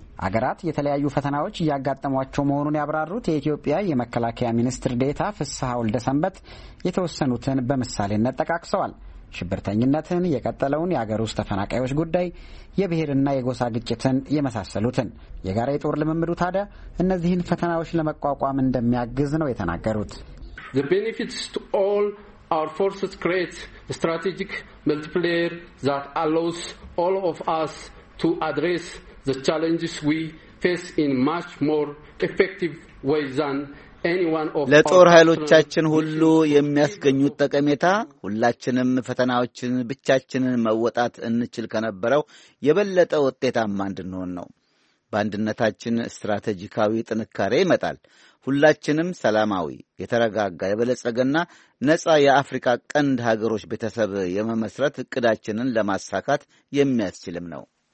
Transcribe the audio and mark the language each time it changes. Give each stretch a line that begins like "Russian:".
Amharic: አገራት የተለያዩ ፈተናዎች ያጋጠሟቸው መሆኑን ያብራሩት የኢትዮጵያ የመከላከያ ሚኒስትር ዴታ ፍስሐ ወልደሰንበት የተወሰኑትን በመሳሌነት ተቃቅሰዋል። ሽብርተኝነትን፣ የቀጠለውን የአገር ውስጥ ተፈናቃዮች ጉዳይ፣ የብሔርና የጎሳ ግጭትን የመሳሰሉትን። የጋራ የጦር ልምምዱ ታዲያ እነዚህን ፈተናዎች ለመቋቋም እንደሚያግዝ ነው የተናገሩት።
English: The benefits to all our forces create a strategic multiplier that allows all of us to address the challenges we face in much more effective ways than
Amharic: ለጦር ኃይሎቻችን ሁሉ የሚያስገኙት ጠቀሜታ ሁላችንም ፈተናዎችን ብቻችንን መወጣት እንችል ከነበረው የበለጠ ውጤታማ እንድንሆን ነው። ባንድነታችን ስትራቴጂካዊ ጥንካሬ ይመጣል። ሁላችንም ሰላማዊ፣ የተረጋጋ፣ የበለጸገና ነጻ የአፍሪካ ቀንድ ሀገሮች በተሰብ የመመስረት እቅዳችንን ለማሳካት የሚያስችልም ነው።